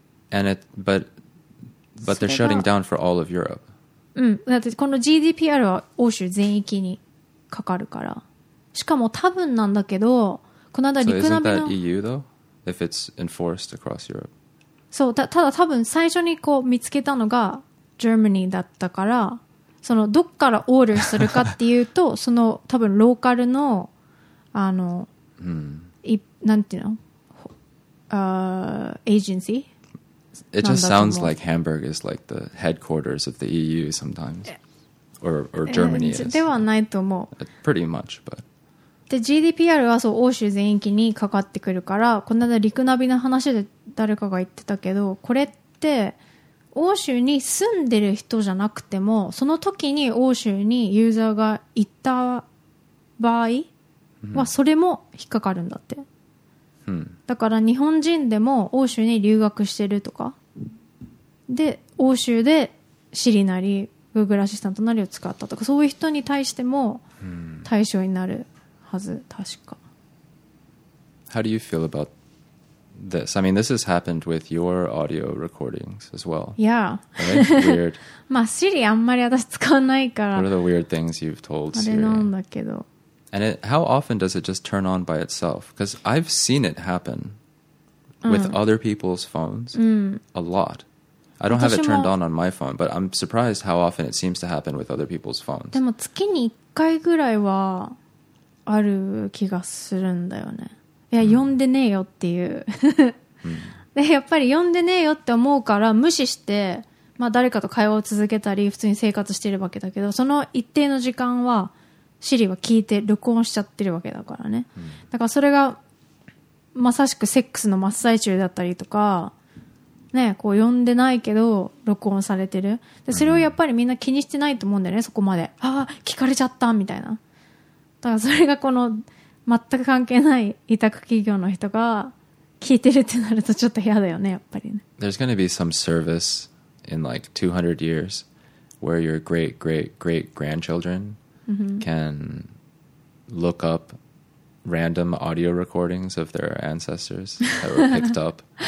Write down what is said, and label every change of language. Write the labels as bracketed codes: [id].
[en] And it But they're shutting down for all of Europe、 [ja] うん、だってこの GDPR は欧州全域にかかるからしかも多分なんだけどこの間陸並みの [en] So isn't that EU though? If it's enforced across Europe [ja] そう ただ多分最初にこう見つけたのが Germany だったからそのどっからオーダーするかっていうとその多分ローカルのあの、うん、なんていうのエージェンシ [en] ー It just sounds like Hamburg is like the headquarters of the EU sometimes or Germany is [ja] ではないと思う [en] Pretty much but [ja] で GDPR はそう欧州全域にかかってくるからこの間陸ナビの話で誰かが言ってたけどこれって欧州に住んでる人じゃなくてもその時に欧州にユーザーが行った場合はそれも引っかかるんだって、うん、だから日本人でも欧州に留学してるとかで欧州でシリなり Google アシスタントなりを使ったとかそういう人に対しても対象になるはず確か [en] How do you feel aboutThis, I mean, this has happened with your audio recordings as well. Yeah. Right? Weird. [ja] まあ、Siri あんまり私使わないから。 [en] What are the weird things you've told Siri? [ja] あれなんだけど。 [en] And it, how often does it just turn on by itself? Because I've seen it happen with other people's phones a lot. I don't have it turned on my phone, but I'm surprised how often it seems to happen with other people's phones. [ja] でも月に1回ぐらいはある気がするんだよね。いや読んでねえよっていう、うん、でやっぱり読んでねえよって思うから無視して、まあ、誰かと会話を続けたり普通に生活してるわけだけどその一定の時間は Siri は聞いて録音しちゃってるわけだからね、うん、だからそれがまさしくセックスの真っ最中だったりとかね、こう読んでないけど録音されてるでそれをやっぱりみんな気にしてないと思うんだよねそこまでああ聞かれちゃったみたいなだからそれがこの全く関係ない委託企業の人が聞いてるってなるとちょっと嫌だよねやっぱりね [en] There's going to be some service in like 200 years where your great great great grandchildren、 mm-hmm. can look up random audio recordings of their ancestors that were picked up